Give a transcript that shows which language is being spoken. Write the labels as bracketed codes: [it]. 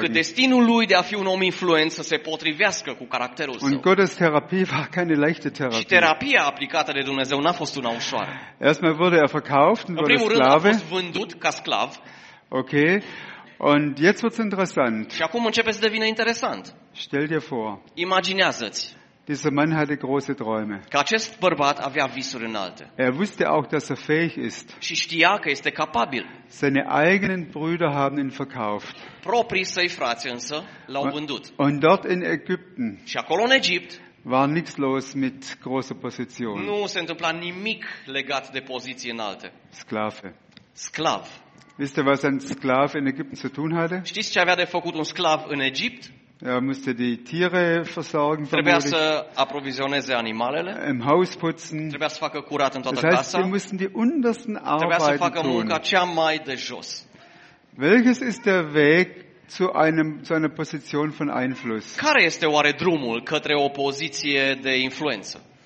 [ro] Încât destinul lui de a fi un om influent să se potrivească cu caracterul său. [de] Und Gottes Therapie war keine leichte Therapie. [ro] Și terapia aplicată de Dumnezeu n-a fost una ușoară. [de] Erstmal wurde er verkauft und wurde Sklave. [ro] A fost vândut ca sclav. Okay. [de] Und jetzt wird's interessant. [ro] Și acum începe să devină interesant. [de] Stell dir vor. [ro] Imaginează-ți. [de] Dieser Mann hatte große Träume. [ro] Că acest bărbat avea visuri înalte. [de] Er wusste auch, dass er fähig ist. [ro] Și știa că este capabil. [de] Seine eigenen Brüder haben ihn verkauft. [ro] Proprii săi frați însă l-au vândut. [de] Und dort in Ägypten. [ro] Și acolo în Egipt. [de] war nichts los mit großer Position. [ro] Nu se întâmpla nimic legat de poziții înalte. [de] Sklave. [ro] Sklav. [de] Wisst ihr, was ein Sklav in Ägypten zu tun hatte? [ro] Știți ce avea de făcut un sklav în Egipt? [de] Er musste die Tiere versorgen, [ro] trebuia să aprovizioneze animalele. [de] Im Haus putzen. [ro] Trebuia să facă curat în toată casa. [de] Das heißt, [ro] casa. [de] Sie mussten die untersten Arbeiten tun. [ro] Trebuia să facă munca cea mai de jos. [de] Welches ist der Weg zu einer Position von Einfluss? [ro] Care este oare drumul către o poziție de influență?